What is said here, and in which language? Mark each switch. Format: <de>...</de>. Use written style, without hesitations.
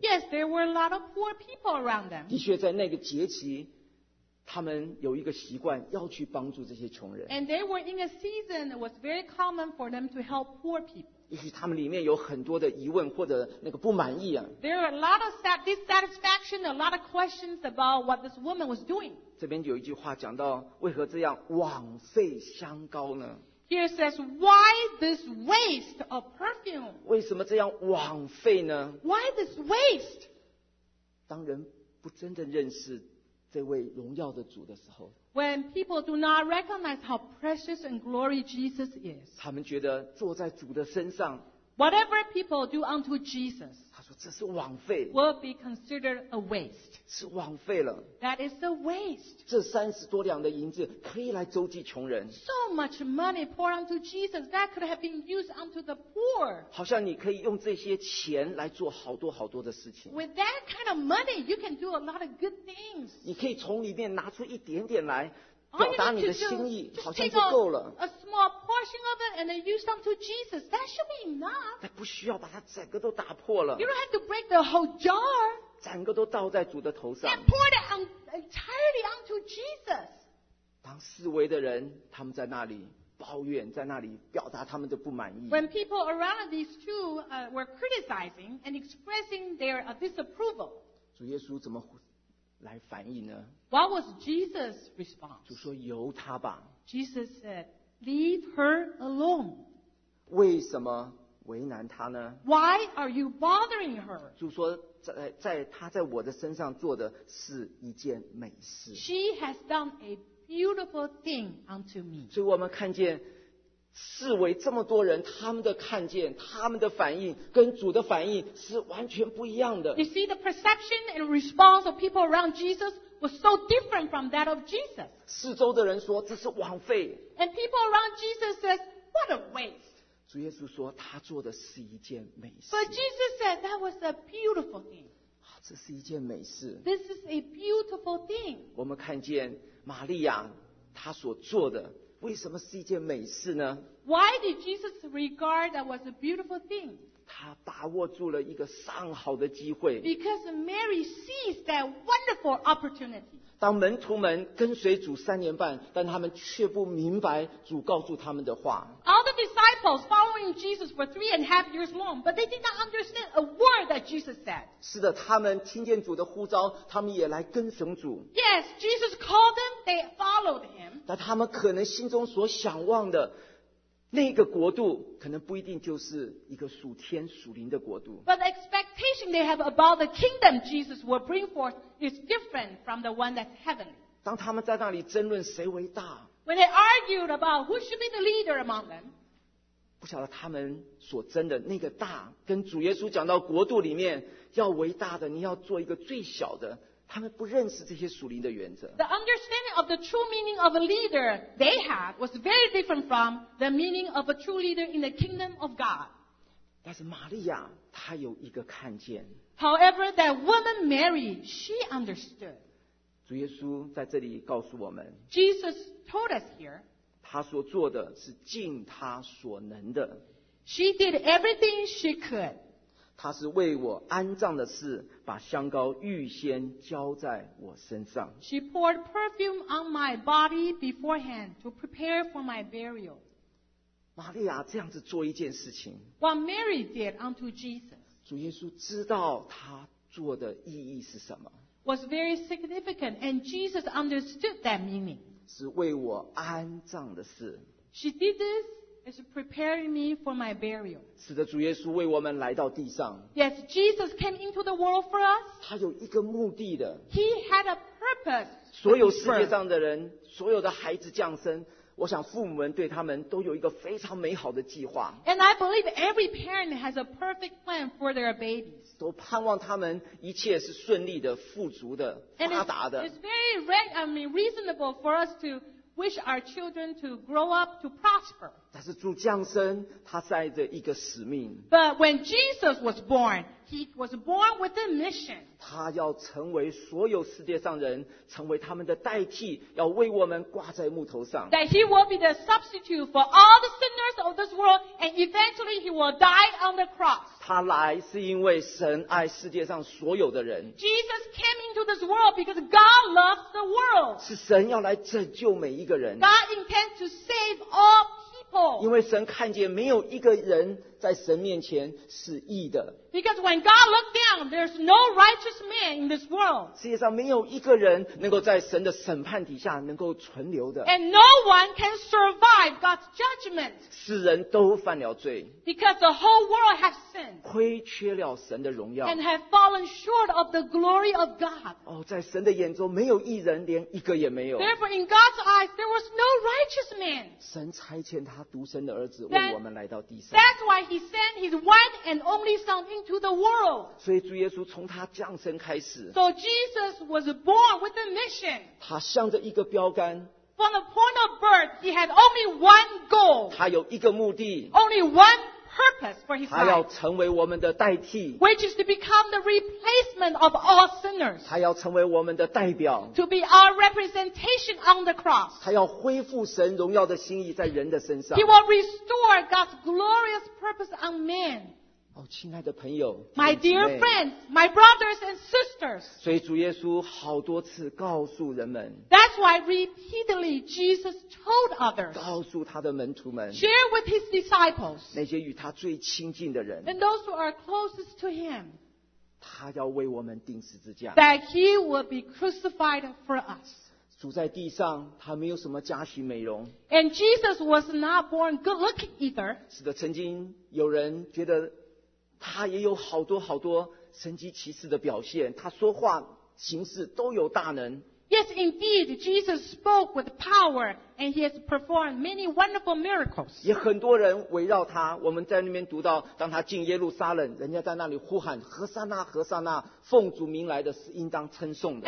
<en>Yes, there were a lot of poor people around them.</en> <zh>的确，在那个节期。他们有一个习惯要去帮助这些穷人。</zh> <en>And they were in a season that was very common for them to help poor people.</en> <zh>也许他们里面有很多的疑问或者那个不满意啊。</zh> <en>There are a lot of dissatisfaction, a lot of questions about what this woman was doing.</en> <zh>这边有一句话讲到为何这样枉费香膏呢？</zh> <en>Here says, why this waste of perfume?</en> <zh>为什么这样枉费呢？</zh> <en>Why this waste?</en> <zh>当人不真正认识这位荣耀的主的时候，</zh> <en>When people do not recognize how precious and glory Jesus is,</en> <zh>他们觉得坐在主的身上，</zh> <en>whatever people do unto Jesus,</en> <zh>他说这是枉费，</zh> <en>will be considered a waste.</en> <zh>是枉费了，</zh> <en>that is a waste.</en> <zh>这三十多两的银子可以来周济穷人，</zh> <en>so much money poured unto Jesus that could have been used unto the poor.</en> <zh>好像你可以用这些钱来做好多好多的事情。</zh> <en>With that kind of money, you can do a lot of good things.</en> <zh>你可以从里面拿出一点点来表达你的心意，好像就够了。</zh> <en>A small portion of it and then use unto Jesus, that should be enough.</en> <zh>但不需要把它整个都打破了。</zh> <en>You don't have to break the whole jar.</en> <zh>整个都倒在主的头上。</zh> <en>And pour it entirely unto Jesus.</en> <zh>当四围的人他们在那里抱怨，在那里表达他们的不满意。</zh> <en>When people around these two were criticizing and expressing their disapproval.</en> <zh>主耶稣怎么来反应呢？</zh> <en>What was Jesus' response?</en> <zh>主说由他吧。</zh> <en>Jesus said, leave her alone.</en> <zh>为什么为难他呢？</zh> <en>Why are you bothering her?</en> <zh>主说他在我的身上做的是一件美事。</zh> <en>She has done a beautiful thing unto me.</en> <zh>所以我们看见四围这么多人，他们的看见，他们的反应跟主的反应是完全不一样的。</zh> <en>You see, the perception and response of people around Jesus was so different from that of Jesus.</en> <zh>四周的人说这是枉费。</zh> <en>And people around Jesus said, what a waste.</en> <zh>主耶稣说他做的是一件美事。</zh> <en>But Jesus said that was a beautiful thing.</en> <zh>这是一件美事。</zh> <en>This is a beautiful thing.</en> <zh>我们看见玛利亚她所做的为什么是一件美事呢？</zh> <en>Why did Jesus regard that was a beautiful thing?</en> <zh>他把握住了一个上好的机会。</zh> <en>Because Mary seized that wonderful opportunity.</en> <zh>当门徒们跟随主三年半，但他们却不明白主告诉他们的话。</zh> <en>All the disciples following Jesus for 3.5 years long, but they did not understand a word that Jesus said.</en> <zh>是的，他们听见主的呼召，他们也来跟随主。</zh> <en>Yes, Jesus called them, they followed him.</en> <zh>但他们可能心中所想望的那个国度可能不一定就是一个属天属灵的国度。</zh> <en>But the expectation they have about the kingdom Jesus will bring forth is different from the one that's heavenly.</en> <zh>当他们在那里争论谁为大，</zh> <en>When they argued about who should be the leader among them,</en> <zh>不晓得他们所争的那个大跟主耶稣讲到国度里面要为大的，你要做一个最小的，他们不认识这些属灵的原则。</zh> <en>The understanding of the true meaning of a leader they had was very different from the meaning of a true leader in the kingdom of God.</en> <zh>但是玛利亚她有一个看见。</zh> <en>However, that woman Mary, she understood.</en> <zh>主耶稣在这里告诉我们，</zh> <en>Jesus told us here,</en> <zh>她所做的是尽她所能的。</zh> <en>She did everything she could.</en> <zh>他是为我安葬的事把香膏预先浇在我身上。</zh> <en>She poured perfume on my body beforehand to prepare for my burial.</en> <zh>玛利亚这样子做一件事情，</zh> <en>What Mary did unto Jesus,</en> <zh>主耶稣知道他做的意义是什么，</zh> <en>was very significant and Jesus understood that meaning.</en> <zh>是为我安葬的事，</zh> <en>She did this is preparing me for my burial.</en> <zh>使得主耶稣为我们来到地上。</zh> <en>Yes, Jesus came into the world for us.</en> <zh>他有一个目的的。</zh> <en>He had a purpose.</en> <zh>所有世界上的人，所有的孩子降生，我想父母们对他们都有一个非常美好的计划。</zh> <en>And I believe every parent has a perfect plan for their babies.</en> <zh>都盼望他们一切是顺利的、富足的、发达的。</zh> <en>It's very reasonable for us to wish our children to grow up to prosper.</en> <zh>但是主降生，他带着一个使命。</zh> <en>But when Jesus was born, he was born with a mission.</en> <zh>他要成为所有世界上人，成为他们的代替，要为我们挂在木头上。</zh> <en>That he will be the substitute for all the sinners of this world, and eventually he will die on the cross.</en> <zh>他来是因为神爱世界上所有的人。</zh> <en>Jesus came into this world because God loves the world.</en> <zh>是神要来拯救每一个人。</zh> <en>God intends to save all people.</en> <zh>因为神看见没有一个人在神面前是义的。</zh> <en>Because when God looked down, there's no righteous man in this world.</en> <zh>世界上没有一个人能够在神的审判底下能够存留的。</zh> <en>And no one can survive God's judgment.</en> <zh>世人都犯了罪。</zh> <en>Because the whole world has sinned.</en> <zh>亏缺了神的荣耀。</zh> <en>And have fallen short of the glory of God.</en> <zh>哦，在神的眼中没有义人，连一个也没有。</zh> <en>Therefore, in God's eyes, there was no righteous man.</en> <zh>神差遣他独生的儿子为我们来到地上。</zh> <en>That's why He sent His one and only Son into the world.</en> <zh>所以主耶稣从他降生开始。</zh> <en>So Jesus was born with a mission.</en> <zh>他向着一个标杆。</zh> <en>From the point of birth, He had only one goal.</en> <zh>他有一个目的。</zh> <en>Only one purpose for His life.</en> <zh>他要成为我们的代替。</zh> <en>Which is to become the replacement of all sinners.</en> <zh>他要成为我们的代表。</zh> <en>To be our representation on the cross.</en> <zh>他要恢复神荣耀的心意在人的身上。</zh> <en>He will restore God's glorious purpose on man.</en> <zh>哦，亲爱的朋友</zh> <en>，My dear friends, my brothers and sisters.</en> <zh>所以主耶稣好多次告诉人们</zh> <en>，That's why repeatedly Jesus told others.</en> <zh>告诉他的门徒们</zh> <en>，Share with his disciples.</en> <zh>那些与他最亲近的人</zh> <en>，And those who are closest to him.</en> <zh>他要为我们钉十字架</zh> <en>，That he will be crucified for us.</en> <zh>主在地上，他没有什么家庭美容。</zh> <en>And Jesus was not born good looking either.</en> <zh>是的，曾经有人觉得。他也有好多好多神迹奇事的表现，他说话行事都有大能。</zh> <en>Yes, indeed, Jesus spoke with power, and he has performed many wonderful miracles.</en> <zh>也很多人围绕他，我们在那边读到，当他进耶路撒冷，人家在那里呼喊，何塞纳，何塞纳，奉主名来的是应当称颂的。</zh>